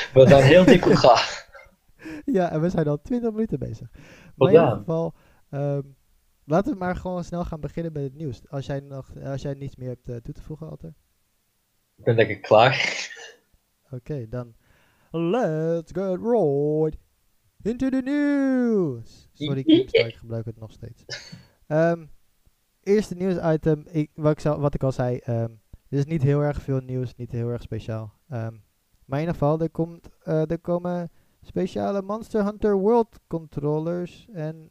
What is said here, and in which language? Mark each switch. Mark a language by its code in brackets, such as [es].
[nl] We zijn heel diep gegaan. Ja, en we zijn al 20 minuten bezig. Maar in ieder Voldaan. geval, laten we maar gewoon snel gaan beginnen met het nieuws. Als jij niets meer hebt toe te voegen, Alter. Ik ben lekker klaar. Oké, dan. [en] Let's get right into the news. [nl] Sorry, Counter-Strike gebruik het nog steeds. Eerste nieuws item, wat ik al zei. Er is niet heel erg veel nieuws, niet heel erg speciaal. Maar in ieder geval, er komen speciale Monster Hunter World controllers en